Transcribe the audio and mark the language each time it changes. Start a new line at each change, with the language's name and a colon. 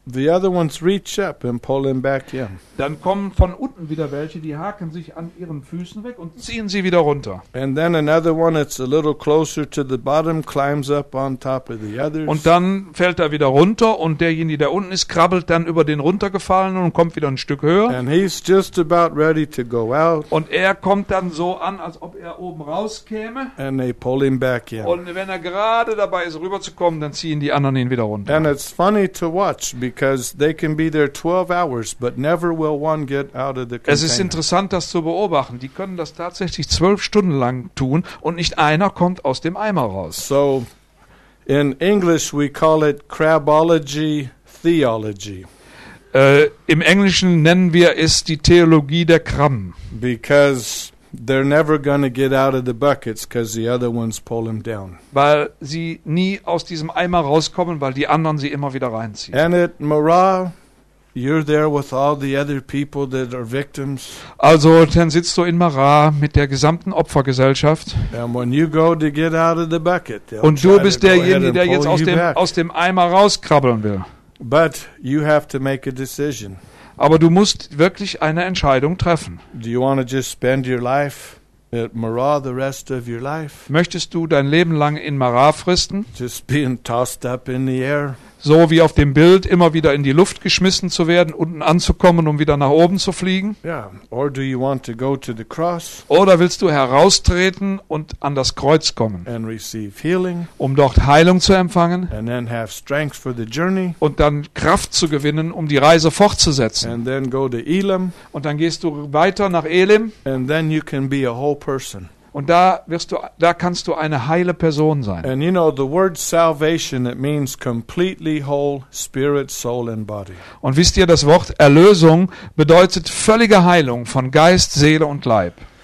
English: The other ones reach up and pull them back in.
German: Dann kommen von unten wieder welche, die haken sich an ihren Füßen weg und ziehen sie wieder runter.
English: And then another one that's a little closer to the bottom climbs up on top of the others.
German: Und dann fällt er wieder runter und derjenige, der unten ist, krabbelt dann über den runtergefallenen und kommt wieder ein Stück höher.
English: And he's just about ready to go out.
German: Und er kommt dann so an, als ob er oben rauskäme.
English: And they pull him back in.
German: Und wenn er gerade dabei ist, rüberzukommen, dann ziehen die anderen ihn wieder runter.
English: And it's funny to watch because they can be there 12 hours, but never will one get out of the container.
German: Es ist interessant, das zu beobachten. Die können das tatsächlich 12 Stunden lang tun und nicht einer kommt aus dem Eimer raus.
English: So. In English we call it crabology theology.
German: Im Englischen nennen wir es die Theologie der Krabben.
English: Because they're never going to get out of the buckets because the other ones pull them down.
German: Weil sie nie aus diesem Eimer rauskommen, weil die anderen sie immer wieder reinziehen.
English: And at Marah, you're there with all the other people that are victims.
German: Also, dann sitzt du in Marah mit der gesamten Opfergesellschaft.
English: And when you go to get out of the bucket,
German: und du bist derjenige, der jetzt aus dem Eimer rauskrabbeln will.
English: But you have to make a decision.
German: Aber du musst wirklich eine Entscheidung treffen.
English: Do you want to just spend your life at Marah the rest of your life?
German: Möchtest du dein Leben lang in Marah fristen?
English: Just being tossed up in the air.
German: So wie auf dem Bild, immer wieder in die Luft geschmissen zu werden, unten anzukommen, um wieder nach oben zu fliegen?
English: Yeah. Or do you want to go to the cross?
German: Oder willst du heraustreten und an das Kreuz kommen?
English: And receive healing.
German: Um dort Heilung zu empfangen.
English: And then have strength for the journey.
German: Und dann Kraft zu gewinnen, um die Reise fortzusetzen.
English: And then go to Elim.
German: Und dann gehst du weiter nach Elim.
English: And then you can be a whole person.
German: Und da kannst du eine heile Person sein.
English: And you know the word salvation, it means completely whole, spirit, soul and body.
German: Und wisst ihr, das Wort Erlösung bedeutet völlige Heilung von Geist, Seele und Leib.